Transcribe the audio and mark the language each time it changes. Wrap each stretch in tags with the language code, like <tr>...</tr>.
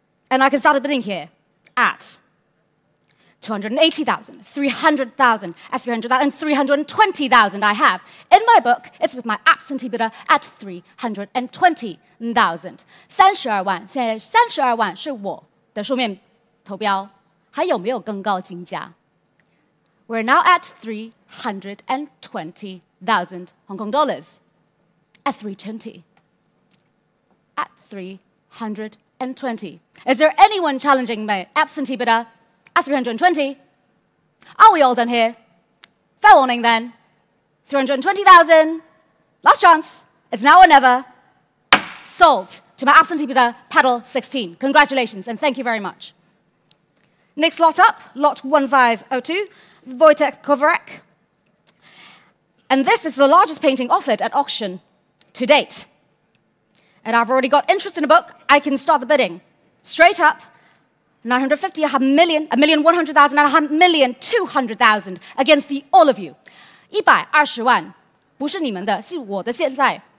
<en>And I can start a bidding here at 280,000, 300,000, at 300,000, and 320,000 I have. In my book, it's with my absentee bidder at 320,000.</en> <zh>32万,现在32万是我的书面投标。还有没有更高金价?</zh> <en>We're now at 320,000 Hong Kong dollars. At 320. At 320. Is there anyone challenging my absentee bidder? At 320? Are we all done here? Fair warning then. 320,000. Last chance. It's now or never. Sold to my absentee bidder, Paddle 16. Congratulations and thank you very much. Next lot up, lot 1502, Wojtek Kovarek. And this is the largest painting offered at auction to date. And I've already got interest in a book. I can start the bidding. Straight up, 950, 1 million, 1,100,000, and 1,200,000 against the all of you.</en> <zh>120万, 不是你们的,是我的现在。</zh>